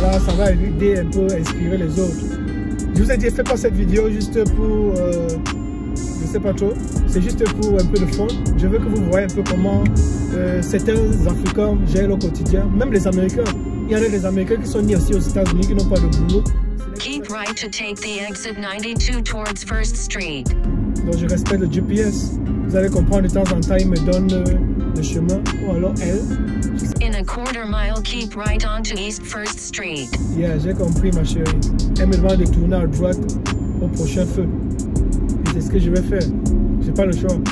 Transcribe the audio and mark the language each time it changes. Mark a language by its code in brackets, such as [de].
[fr] Là, ça va aider un peu à inspirer les autres. Je vous ai dit, fais pas cette vidéo juste pour. Je sais pas trop. C'est juste pour un peu de fond. Je veux que vous voyez un peu comment certains Africains gèrent leur quotidien. Même les Américains. Il y en a des Américains qui sont nés aussi aux États-Unis qui n'ont pas de boulot. [en] Keep right to take the exit 92 towards First Street. [fr] Donc je respecte le GPS. Vous allez comprendre, de temps en temps, il me donne le chemin. Ou alors elle. [en] In a quarter mile, keep right onto East First Street. [fr] Yeah, j'ai compris, ma chérie. Elle me demande de tourner à droite au prochain feu. Et c'est ce que je vais faire. J'ai pas le choix.